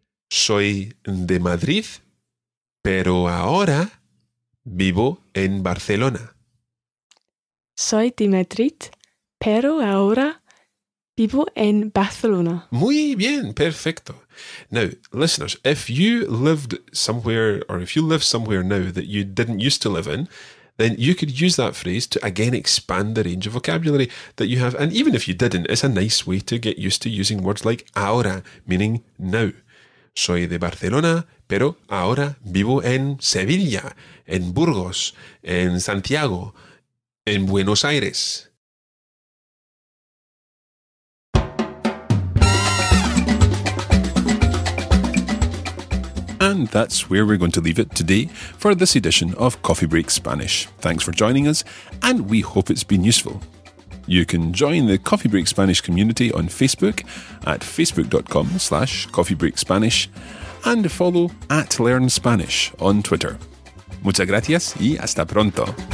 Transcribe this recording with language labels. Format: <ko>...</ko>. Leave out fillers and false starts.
<es>Soy de Madrid, pero ahora vivo en Barcelona. Soy de Madrid, pero ahora vivo en Barcelona. Muy bien. Perfecto.</es> <en>Now, listeners, if you lived somewhere or if you live somewhere now that you didn't used to live in, then you could use that phrase to again expand the range of vocabulary that you have. And even if you didn't, it's a nice way to get used to using words like ahora, meaning now.</en> <es>Soy de Barcelona, pero ahora vivo en Sevilla, en Burgos, en Santiago, en Buenos Aires.</es> <en>And that's where we're going to leave it today for this edition of Coffee Break Spanish. Thanks for joining us, and we hope it's been useful. You can join the Coffee Break Spanish community on Facebook at facebook.com/coffeebreakspanish and follow at Learn Spanish on Twitter.</en> <es>Muchas gracias y hasta pronto.</es>